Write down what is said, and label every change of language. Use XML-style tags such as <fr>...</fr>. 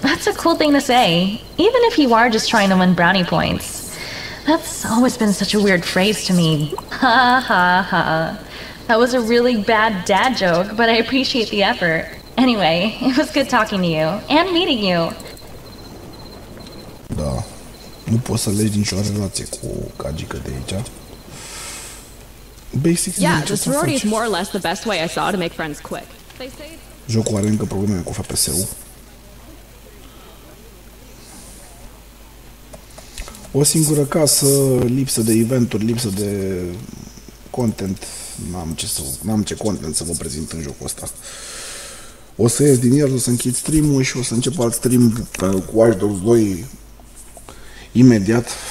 <en>That's a cool thing to say, even if you are just trying to win brownie points. That's always been such a weird phrase to me. Ha ha ha. That was a really bad dad joke, but I appreciate the effort. Anyway, it was good talking to you and meeting you.</en> <ro>Da. Nu poți să legi nicio relație cu gagică de aici.</ro> <en>Basically, yeah, the sorority is more or less the best way I saw to make friends quick.</en> <ro>Jocul are încă probleme cu FPS-ul. O singură casă, lipsă de eventuri, lipsă de content. N-am ce content să vă prezint în jocul ăsta. O să ies din el, o să închid stream-ul și o să încep alt stream cu Watch Dogs 2 imediat.</ro>